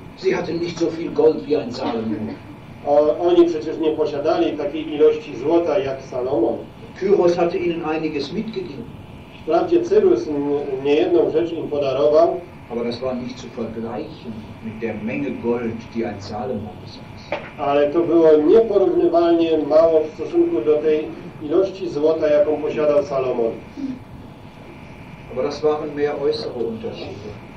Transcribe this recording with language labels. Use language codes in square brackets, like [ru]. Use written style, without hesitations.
[de] Sie hatte nicht so viel Gold wie ein Salomon. [pl] Oni przecież nie posiadali takiej ilości złota jak Salomon. [de] Kyros hatte ihnen einiges mitgegeben. [pl] Wprawdzie Cyrus niejedną rzecz im podarował. [de] Aber das war nicht zu vergleichen mit der Menge Gold, die ein Salomon besaß. [pl] Ale to było nieporównywalnie mało w stosunku do tej ilości złota, jaką posiadał Salomon. [de] Aber das waren mehr äußere Unterschiede.